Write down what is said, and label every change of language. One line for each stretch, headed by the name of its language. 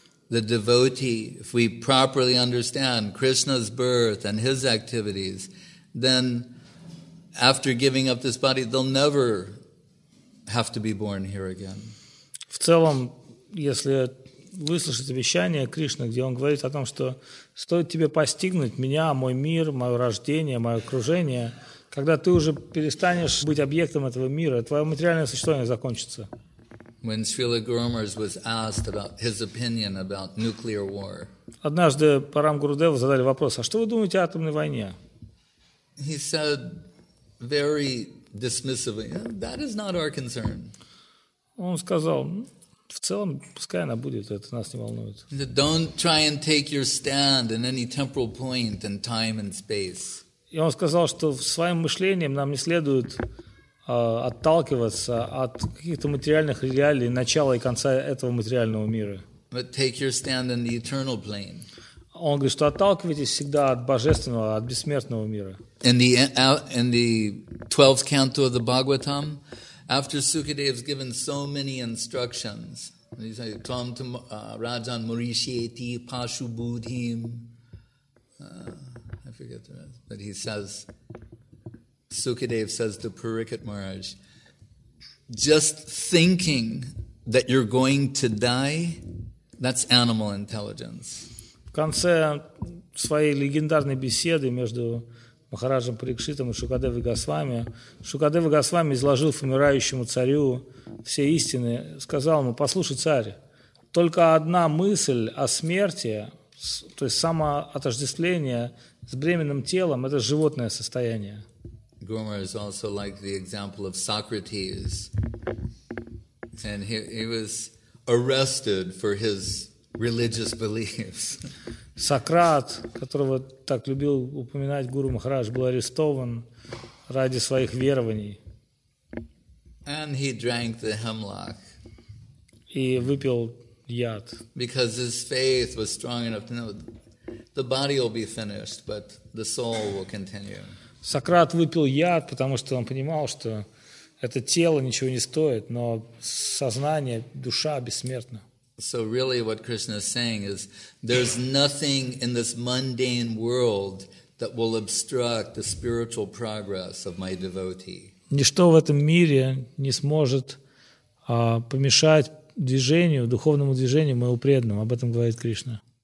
English: The devotee, if we properly understand Krishna's birth and his activities, then after giving up this body, they'll never have to be born here again.
Russian: В целом, если выслушать обещание Кришны, где он говорит о том, что стоит тебе постигнуть меня, мой мир, мое рождение, мое окружение, когда ты уже перестанешь быть объектом этого мира, твое материальное существование закончится.
English: When Srila Gurumars was asked about his opinion about nuclear war.
Russian: Однажды Парам Гурудеву задали вопрос, а что вы думаете о атомной войне?
English: He said very dismissively, that is not our concern.
Russian: Он сказал, в целом, пускай она будет, это нас не волнует.
English: Don't try and take your stand in any temporal point in time and space.
Russian: И он сказал, что своим мышлением нам не следует отталкиваться от каких-то материальных реалий начала и конца этого материального мира.
English: But take your stand in the eternal plane.
Russian: Он говорит, что отталкивайтесь всегда от божественного, от бессмертного мира.
English: In the 12th canto of the Bhagavatam, after Sukadeva has given so many instructions, he says,
Sanskrit: "Tom to Rajan Murishyeti Pashu Budhim."
English: I forget the rest, but he says, Sukadeva says to Parikshit Maharaj, "Just thinking that you're going to die—that's animal intelligence."
Russian: В конце своей легендарной беседы между Махараджам Парикшитам и Шукадевой Госвами. Шукадева Госвами изложил умирающему царю все истины, сказал ему, послушай, царь, только одна мысль о смерти, то есть самоотождествление с бременным телом, это животное состояние.
English: Гурмар is also like the example of Socrates. And he was arrested for his religious beliefs.
Russian: Сократ, которого так любил упоминать Гуру Махарадж, был арестован ради своих верований.
English: And he drank the hemlock.
Russian: И выпил яд.
English: Because his faith was strong enough to know the body will be finished, but the soul will continue.
Russian: Сократ выпил яд, потому что он понимал, что это тело ничего не стоит, но сознание, душа бессмертна.
English: So really what Krishna is saying is there's nothing in this mundane world that will obstruct the spiritual progress of my devotee.
Russian: Ничто в этом мире не сможет помешать движению, духовному движению моего преданного. Об этом говорит Кришна.